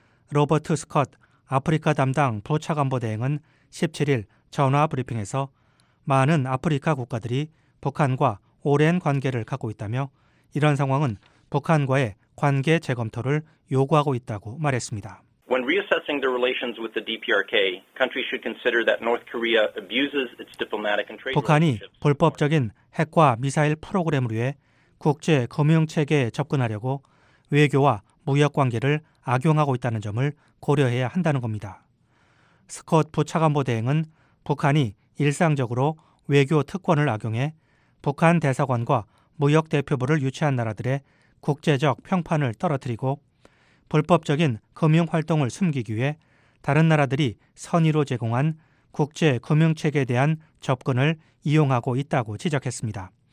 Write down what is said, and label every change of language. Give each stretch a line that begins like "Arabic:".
Korean: 로버트 스콧 아프리카 담당 부차관보대행은 17일 전화 브리핑에서 많은 아프리카 국가들이 북한과 오랜 관계를 갖고 있다며 이런 상황은 북한과의 관계 재검토를 요구하고 있다고 말했습니다.
English: When reassessing the relations with the DPRK, countries should consider that North Korea abuses its diplomatic and trade.
Korean: 북한이 불법적인 핵과 미사일 프로그램을 위해 국제 금융 체계에 접근하려고 외교와 무역 관계를 악용하고 있다는 점을 고려해야 한다는 겁니다. 스콧 부차관보대행은 북한이 일상적으로 외교 특권을 악용해 북한 대사관과 무역 대표부를 유치한 나라들의 국제적 평판을 떨어뜨리고 불법적인 금융활동을 숨기기 위해 다른 나라들이 선의로 제공한 국제금융체계에 대한 접근을 이용하고 있다고 지적했습니다.